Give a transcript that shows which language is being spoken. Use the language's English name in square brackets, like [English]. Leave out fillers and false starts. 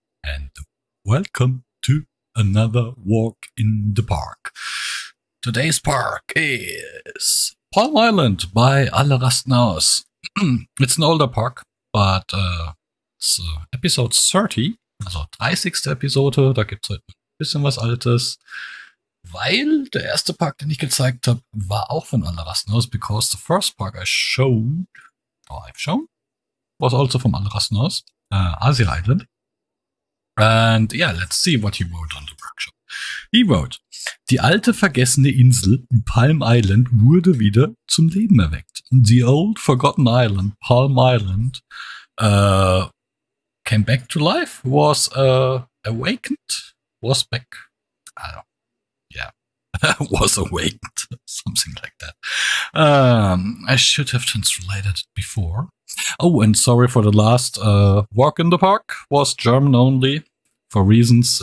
[English] And welcome to another walk in the park. Today's park is Palm Island by Alle Rasten Aus. It's an older park, but it's episode 30, also 30. [German] Episode. Da gibt's heute ein bisschen was Altes. Weil der erste Park, den ich gezeigt habe, war auch von Alle Rasten Aus. [English] Because the first park I've shown, was also from Alle Rasten Aus. Asia Island. And yeah, let's see what he wrote on the workshop. He wrote, [German] die alte vergessene Insel in Palm Island wurde wieder zum Leben erweckt. [English] The old forgotten island, Palm Island, came back to life, was awakened, was back, I don't know, yeah, was awakened, something like that. I should have translated it before. Oh, and sorry for the last walk in the park was German only, for reasons.